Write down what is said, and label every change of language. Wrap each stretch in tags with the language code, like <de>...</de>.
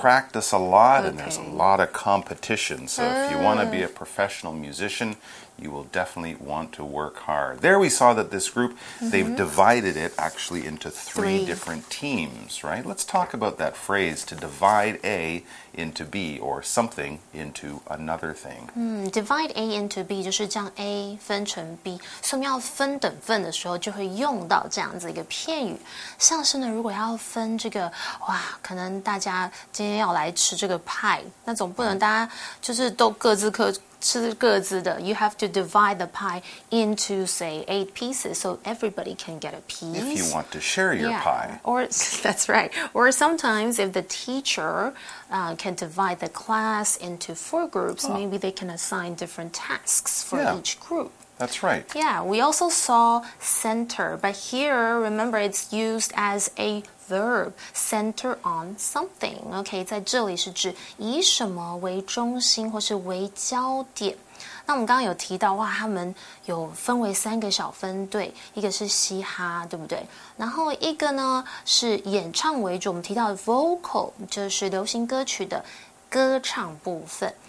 <en>practice a lot,、okay. and there's a lot of competition. So、if you want to be a professional musician, you will definitely want to work hard. There we saw that this group,、mm-hmm. they've divided it actually into three different teams, right? Let's talk about that phrase, to divide A into B, or something into another thing.、 Divide A into B,</en> <zh>就是将 A 分成 B. 所以要分等份的时候就会用到这样子一个片语。像是呢如果要分这个哇可能大家今天要来吃这个派那总不能大家就是都各自各吃各自的</zh> <en>You have to divide the pie into, say, 8 pieces so everybody can get a piece. If you want to share your、 yeah. pie. Or, that's right. Or sometimes if the teacher、can divide the class into 4 groups,、oh. maybe they can assign different tasks for、 yeah. each group. That's right. Yeah, we also saw center, but here, remember, it's used as a verb, center on something.</en> <zh>Okay, 在这里是指以什么为中心或是为焦点。那我们刚刚有提到哇他们有分为三个小分队一个是嘻哈对不对然后一个呢是演唱为主我们提到的 vocal, 就是流行歌曲的歌唱部分。</zh>